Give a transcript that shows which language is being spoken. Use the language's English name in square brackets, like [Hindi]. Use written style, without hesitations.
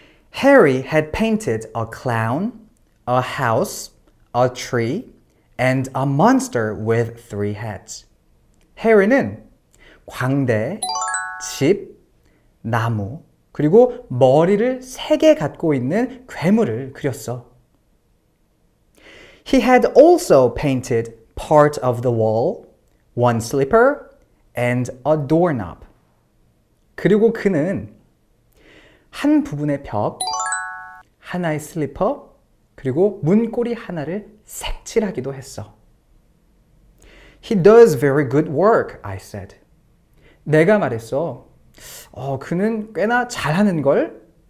[English] Harry had painted a clown, a house, a tree, and a monster with three heads. [Korean] 해리는 광대, 집, 나무, 그리고 머리를 세 개 갖고 있는 괴물을 그렸어. [English] He had also painted part of the wall, one slipper, and a doorknob. [Korean] 그리고 그는 한 부분의 벽, 하나의 슬리퍼, 그리고 문고리 하나를 색칠하기도 했어. [English] He does very good work, I said. [Korean] 내가 말했어. 그는 꽤나 잘하는 걸?